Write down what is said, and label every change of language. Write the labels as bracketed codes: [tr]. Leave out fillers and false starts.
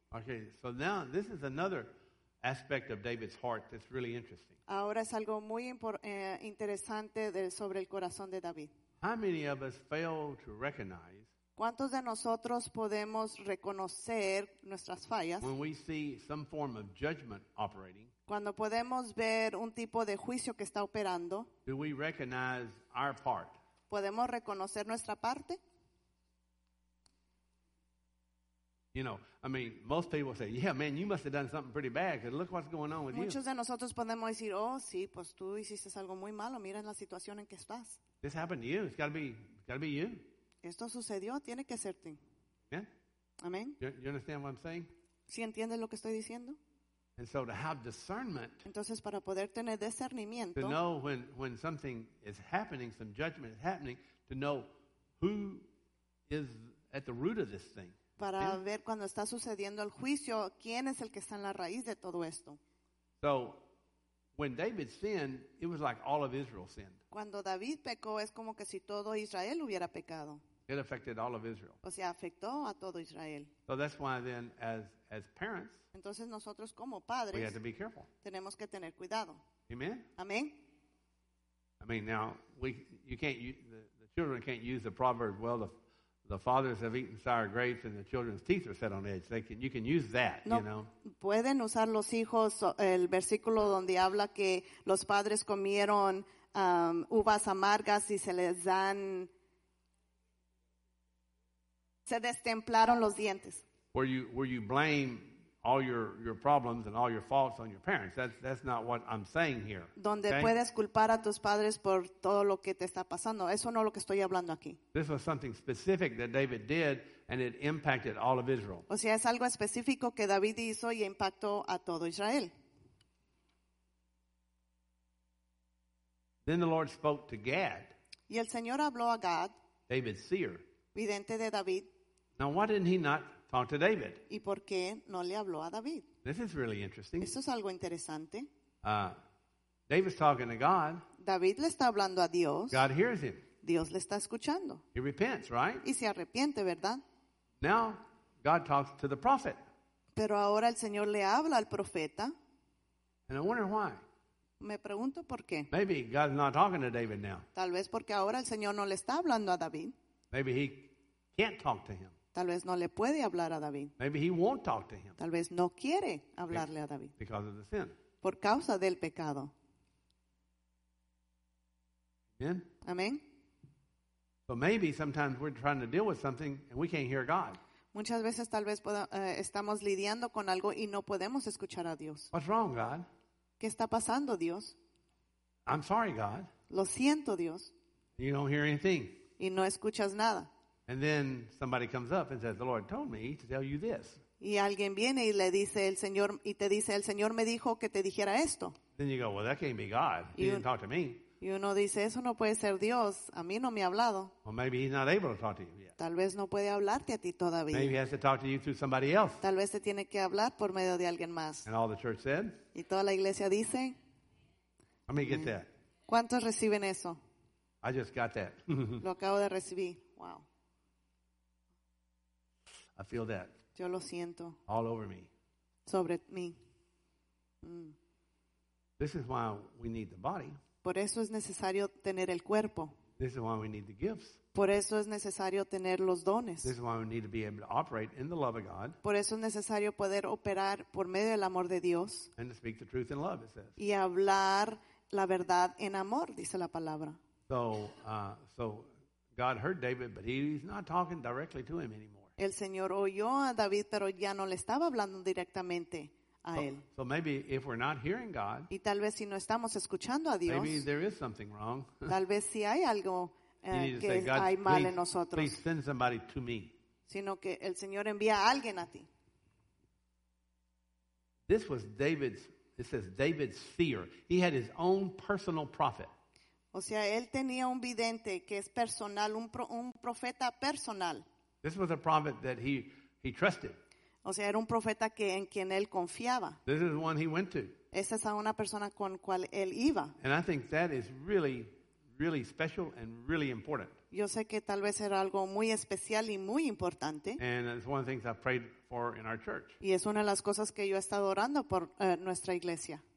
[en] Okay, so now this is another aspect of David's heart that's really interesting. [es] Ahora es algo muy interesante sobre el corazón de David. [en] How many of us fail to recognize? [es] ¿Cuántos de nosotros podemos reconocer nuestras fallas? [en] When we see some form of judgment operating. [es] Cuando podemos ver un tipo de juicio que está operando, [en] do we recognize our part? [es] ¿Podemos reconocer nuestra parte? [en] You know, I mean, most people say, yeah, man, you must have done something pretty bad because look what's going on with [es] Muchos [en] you. [es] Muchos de nosotros podemos decir, oh, sí, pues tú hiciste algo muy malo. Mira la situación en que estás. [en] This happened to you. It's got to be you. [es] Esto sucedió. Tiene que ser ti. [en] Yeah? Amen. You understand what I'm saying? [es] ¿Sí entiendes lo que estoy diciendo? [en] And so to have discernment, [es] entonces para poder tener discernimiento, [en] to know when something is happening, some judgment is happening, to know who is at the root of this thing. [es] Para [en] yeah. [es] ver cuando está sucediendo el juicio, quién es el que está en la raíz de todo esto. [en] So when David sinned, it was like all of Israel sinned. [es] Cuando David pecó, es como que si todo Israel hubiera pecado. [en] It affected all of Israel. [es] O sea, afectó a todo Israel. [en] So that's why then, as parents, [es] entonces nosotros como padres, [en] we have to be careful. [es] Tenemos que tener cuidado. Amen. Amen. [en] I mean, now the children can't use the proverb. Well, the fathers have eaten sour grapes, and the children's teeth are set on edge. You can use that. No, you know. [es] Pueden usar los hijos el versículo donde habla que los padres comieron uvas amargas y se les dan se destemplaron los dientes. [en] Where you blame all your problems and all your faults on your parents. That's not what I'm saying here. [es] Donde puedes culpar a tus padres por todo lo que te está pasando. Eso no es lo que estoy hablando aquí. [en] This was something specific that David did, and it impacted all of Israel. [es] O sea, es algo específico que David hizo y impactó a todo Israel. [en] Then the Lord spoke to Gad. [es] Y el Señor habló a Gad. [en] David's seer. [es] Vidente de David. [en] Now, why didn't he not talk to David? [es] ¿Y por qué no le habló a David? [en] This is really interesting. [es] Esto es algo interesante. [en] David's talking to God. [es] David le está hablando a Dios. [en] God hears him. [es] Dios le está escuchando. [en] He repents, right? [es] Y se arrepiente, ¿verdad? [en] Now, God talks to the prophet. [es] Pero ahora el Señor le habla al profeta. [en] And I wonder why. [es] Me pregunto por qué. [en] Maybe God's not talking to David now. [es] Tal vez porque ahora el Señor no le está hablando a David. [en] Maybe he can't talk to him. [es] Tal vez no le puede hablar a David. [en] Maybe he won't talk to him. [es] Tal vez no quiere hablarle a David. [en] Because of the sin. [es] Por causa del pecado. Amen. Amen. [en] But maybe sometimes we're trying to deal with something and we can't hear God. [es] Muchas veces tal vez estamos lidiando con algo y no podemos escuchar a Dios. [en] What's wrong, God? [es] ¿Qué está pasando, Dios? [en] I'm sorry, God. [es] Lo siento, Dios. [en] You don't hear anything. [es] Y no escuchas nada. [en] And then somebody comes up and says, "The Lord told me to tell you this." [es] Y alguien viene y le dice el Señor y te dice, "El Señor me dijo que te dijera esto." [en] Then you go, "Well, that can't be God. He didn't talk to me." [es] Y uno dice, "Eso no puede ser Dios. A mí no me ha hablado." [en] Well, maybe he's not able to talk to you yet. [es] Tal vez no puede hablarte a ti todavía. [en] Maybe he has to talk to you through somebody else. [es] Tal vez te tiene que hablar por medio de alguien más. [en] And all the church said. [es] Y toda la iglesia dice. [en] Let me get that. [es] ¿Cuántos reciben eso? [en] I just got that. [es] Lo acabo de recibir. Wow. [en] I feel that. [es] Yo lo siento. [en] All over me. [es] Sobre mí. [en] This is why we need the body. [es] Por eso es necesario tener el cuerpo. [en] This is why we need the gifts. [es] Por eso es necesario tener los dones. [en] This is why we need to be able to operate in the love of God. [es] Por eso es necesario poder operar por medio del amor de Dios. [en] And to speak the truth in love, it says. [es] Y hablar la verdad en amor, dice la palabra. [en] So God heard David, but he's not talking directly to him anymore. [es] El Señor oyó a David, pero ya no le estaba hablando directamente a él. [en] So maybe if we're not hearing God, [es] y tal vez si no estamos escuchando a Dios, [en] maybe there is something wrong. [es] Tal vez si hay algo que hay mal en nosotros. [en] Please send somebody to me. [es] Sino que el Señor envía a alguien a ti. [en] This was David's, it says David's seer. He had his own personal prophet. [es] O sea, él tenía un vidente que es personal, un profeta personal. [en] This was a prophet that he trusted. [es] O sea, era un profeta que en quien él confiaba. [en] This is the one he went to. [es] Esa es a una persona con cual él iba. [en] And I think that is really, really special and really important. [es] Yo sé que tal vez era algo muy especial y muy importante. [en] And it's one of the things I prayed for in our church. [es] Y es una de las cosas que yo he estado orando por nuestra iglesia.